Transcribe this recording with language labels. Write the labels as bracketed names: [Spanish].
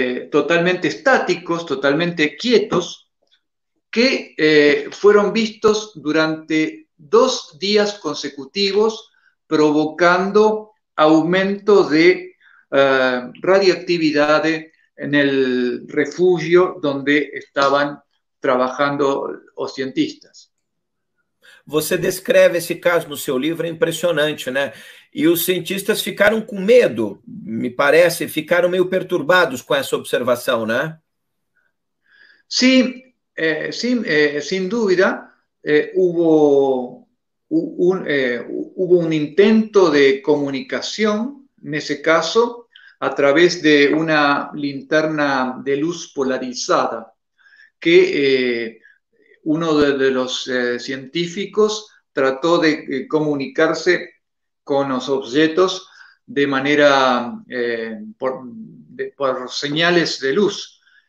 [Spanish] totalmente estáticos, totalmente quietos, que fueron vistos durante 2 días consecutivos, provocando aumento de radioactividad en el refugio donde estaban trabajando los cientistas. [Portuguese] Você descreve esse caso no seu livro, é impressionante, né? E os cientistas ficaram com medo, me parece, ficaram meio perturbados com essa observação, né? [Spanish] Sí, sin duda, hubo un intento de comunicación, en ese caso, a través de una linterna de luz polarizada, que uno de los científicos trató de comunicarse con los objetos de manera, por señales de luz.